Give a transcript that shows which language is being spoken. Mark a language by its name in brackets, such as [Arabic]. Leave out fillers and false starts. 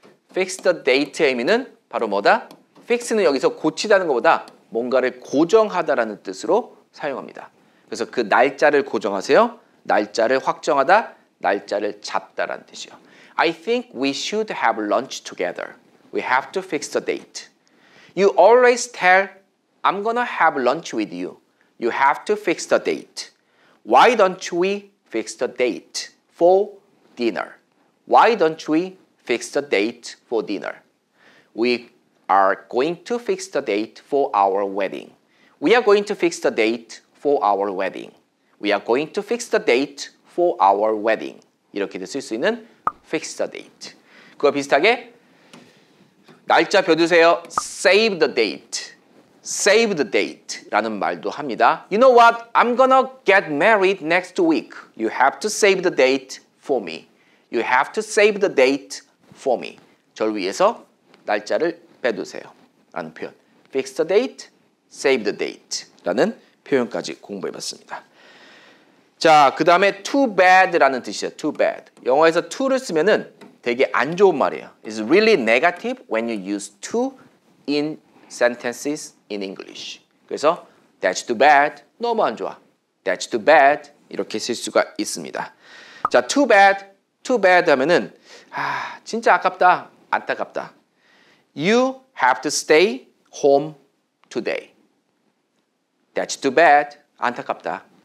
[Korean] Fix the date의 의미는 바로 뭐다? Fix는 여기서 고치다는 것보다 뭔가를 고정하다라는 뜻으로 사용합니다. 그래서 그 날짜를 고정하세요. 날짜를 확정하다, 날짜를 잡다라는 뜻이요. [English] I think we should have lunch together. We have to fix the date. You always tell, I'm gonna have lunch with you. You have to fix the date. Why don't we fix the date for dinner? Why don't we fix the date for dinner? We are going to fix the date for our wedding. We are going to fix the date for our wedding. We are going to fix the date for our wedding. [Korean] 이렇게 쓸 수 있는 fix the date. 그와 비슷하게 날짜 벼두세요. [English] Save the date. Save the date 라는 말도 합니다. You know what? I'm gonna get married next week. You have to save the date for me. You have to save the date for me. [Korean] 저를 위해서 날짜를 빼두세요 라는 표현. Fix the date, save the date 라는 표현까지 공부해봤습니다. 자, 그 다음에 too bad 라는 뜻이에요. Too bad. 영어에서 too를 쓰면은 되게 안 좋은 말이에요. [English] It's really negative when you use too in sentences in English. 그래서 that's too bad. [Korean] 너무 안 좋아. [English] That's too bad. [Korean] 이렇게 쓸 수가 있습니다. 자, too bad. Too bad 하면은 진짜 아깝다. 안타깝다. [English] You have to stay home today. That's too bad. [Korean] 안타깝다.